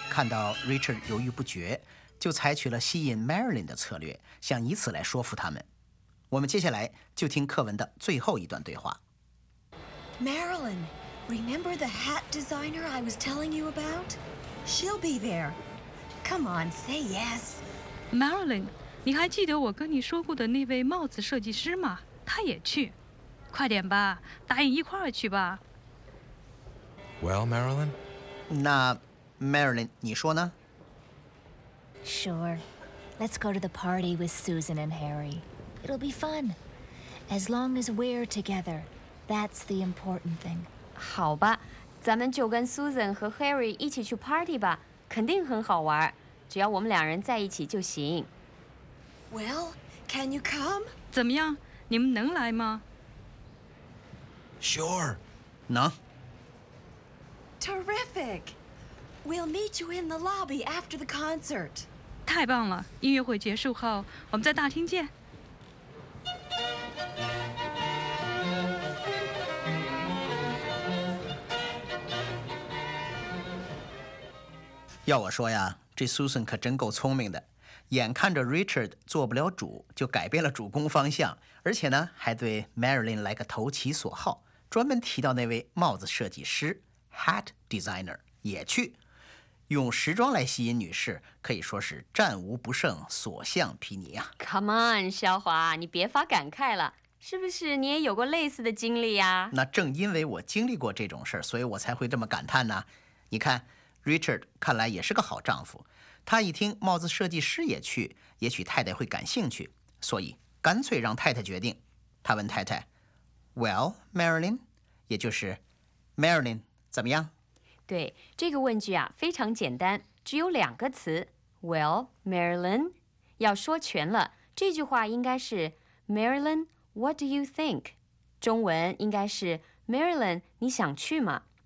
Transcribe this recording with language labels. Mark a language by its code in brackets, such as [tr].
[zh] 看到 Richard 犹豫不决，就采取了吸引 Marilyn 的策略，想以此来说服他们。我们接下来就听课文的最后一段对话。 [en] Marilyn, remember the hat designer I was telling you about? She'll be there. Come on, say yes. [zh] Marilyn, 你还记得我跟你说过的那位帽子设计师吗？他也去。快点吧，答应一块儿去吧。Well, [en] Marilyn? [zh] 那 Marilyn, 你说呢？ [en] Sure. Let's go to the party with Susan and Harry. It'll be fun. As long as we're together. That's the important thing. [zh] 好吧，咱们就跟 Susan 和 Harry 一起去 party 吧，肯定很好玩，只要我们两人在一起就行。Well, [en] can you come? [zh] 怎么样，你们能来吗？ [en] Sure. [zh] 能。 [en] Terrific. We'll meet you in the lobby after the concert. [zh] 太棒了，音乐会结束后，我们在大厅见。要我说呀，这Susan可真够聪明的，眼看着 Richard 做不了主，就改变了主攻方向，而且呢，还对 Marilyn 来个投其所好，专门提到那位帽子设计师 hat designer 也去，用时装来吸引女士，可以说是战无不胜，所向披靡啊。Come on， 肖华，你别发感慨了，是不是你也有过类似的经历呀？那正因为我经历过这种事儿，所以我才会这么感叹呢。你看。 Richard 看来也是个好丈夫，他一听帽子设计师也去，也许太太会感兴趣，所以干脆让太太决定。他问太太 ，Well, Marilyn， 也就是 Marilyn 怎么样？对，这个问句啊非常简单，只有两个词，Well, Marilyn， 要说全了，这句话应该是 Marilyn, [en] what do you think？ [zh] 中文应该是 Marilyn， 你想去吗？